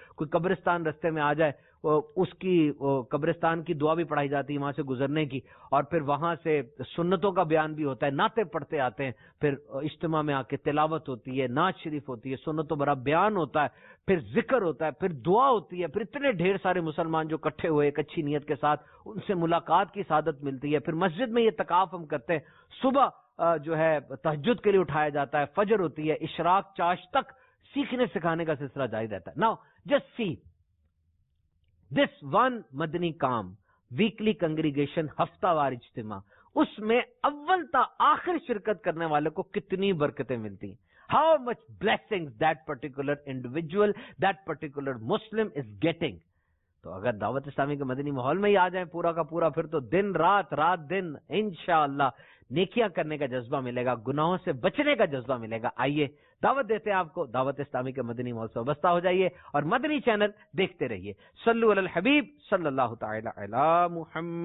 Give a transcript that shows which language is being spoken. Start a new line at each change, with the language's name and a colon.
Urdu: کوئی قبرستان رستے میں آ جائے, اس کی قبرستان کی دعا بھی پڑھائی جاتی ہے وہاں سے گزرنے کی, اور پھر وہاں سے سنتوں کا بیان بھی ہوتا ہے, نعتیں پڑھتے آتے ہیں, پھر اجتماع میں آ کے تلاوت ہوتی ہے, نعت شریف ہوتی ہے, سنتوں برا بیان ہوتا ہے, پھر ذکر ہوتا ہے, پھر دعا ہوتی ہے, پھر اتنے ڈھیر سارے مسلمان جو اکٹھے ہوئے ایک اچھی نیت کے ساتھ, ان سے ملاقات کی سعادت ملتی ہے, پھر مسجد میں یہ تکاف ہم کرتے ہیں, صبح جو ہے تہجد کے لیے اٹھایا جاتا ہے, فجر ہوتی ہے, اشراق چاش تک سیکھنے سکھانے کا سلسلہ جاری رہتا ہے.
English: now just see this one Madani کام, weekly congregation,
Urdu: ہفتہ وار اجتماع, اس میں اول تا آخر شرکت کرنے والے کو کتنی برکتیں ملتی ہیں.
English: How much blessings that particular individual, that particular Muslim is getting.
Urdu: تو اگر دعوت اسلامی کے مدنی ماحول میں ہی آ جائیں پورا کا پورا, پھر تو دن رات رات دن انشاءاللہ نیکیاں کرنے کا جذبہ ملے گا, گناہوں سے بچنے کا جذبہ ملے گا. آئیے دعوت دیتے ہیں آپ کو, دعوت اسلامی کے مدنی ماحول سے وابستہ ہو جائیے اور مدنی چینل دیکھتے رہیے. صلو علی الحبیب
Arabic: صلی اللہ تعالی علی محمد.